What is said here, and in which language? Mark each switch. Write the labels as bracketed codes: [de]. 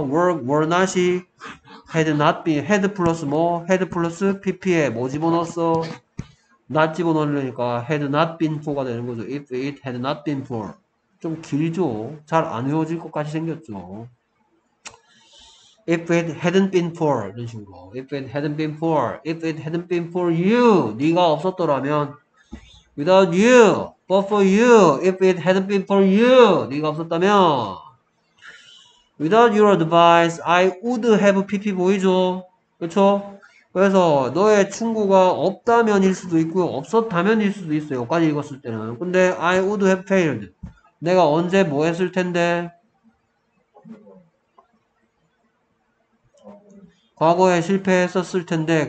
[en] were not이, had not been, had plus 뭐, had plus pp에 [ko] 뭐 집어넣었어? [en] not [ko] 집어넣으려니까 [en] had not been for가 되는 거죠. If it had not been for. [ko] 좀 길죠? 잘안 외워질 것 같이 생겼죠. [en] If it hadn't been for, [ko] 이런 식으로. [en] If it hadn't been for, if it hadn't been for you, [ko] 네가 없었더라면, [en] without you, But for you, if it hadn't been for you, [ko] 네가 없었다면, [en] without your advice, I would have PP 보이죠? [ko] 그렇죠? 그래서 너의 충고가 없다면일 수도 있고요, 없었다면일 수도 있어요. 여기까지 읽었을 때는. 근데 [en] I would have failed. [ko] 내가 언제 뭐 했을 텐데? 과거에 실패했었을 텐데.